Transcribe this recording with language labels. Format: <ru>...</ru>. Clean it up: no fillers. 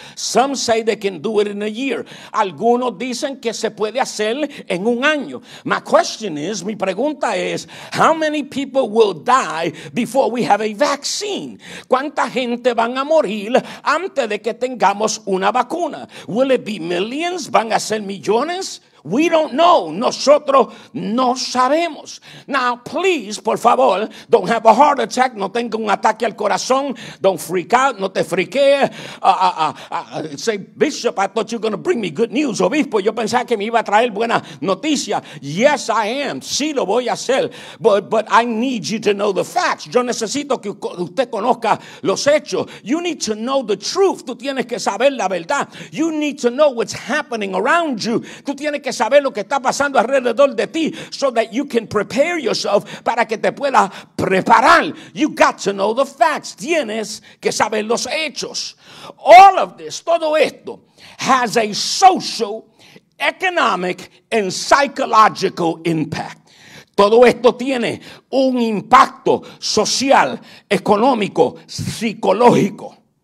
<en>Some say they can do it in a year.</en> <es>Algunos dicen que se puede hacer en un año.</es> <en>My question is,</en> <es>mi pregunta es,</es> <en>how many people will die before we have a vaccine?</en> <es>¿Cuánta gente van a morir antes de que tengamos una vacuna?</es> <en>Will it be millions?</en> <es>¿Van a ser millones?</es> <en>We don't know.</en> <es>Nosotros no sabemos.</es> <en>Now, please,</en> <es>por favor,</es> <en>don't have a heart attack.</en> <es>No tenga un ataque al corazón.</es> <en>Don't freak out.</en> <es>No te friquee.</es> <en>Say, Bishop, I thought you were going to bring me good news.</en> <es>Obispo, yo pensaba que me iba a traer buena noticia.</es> <en>Yes, I am.</en> <es>Sí, lo voy a hacer.</es> <en>But I need you to know the facts.</en> <es>Yo necesito que usted conozca los hechos.</es> <en>You need to know the truth.</en> <es>Tú tienes que saber la verdad.</es> <en>You need to know what's happening around you.</en> <es>Tú tienes que que saber lo que está pasando alrededor de ti,</es> <en>so that you can prepare yourself,</en> <es>para que te puedas preparar.</es> <en>You got to know the facts.</en> <es>Tienes que saber los hechos.</es> <en>All of this,</en> <es>todo esto,</es> <en>has a social, economic, and psychological impact.</en> <es>Todo esto tiene un impacto social, económico, psicológico.</es>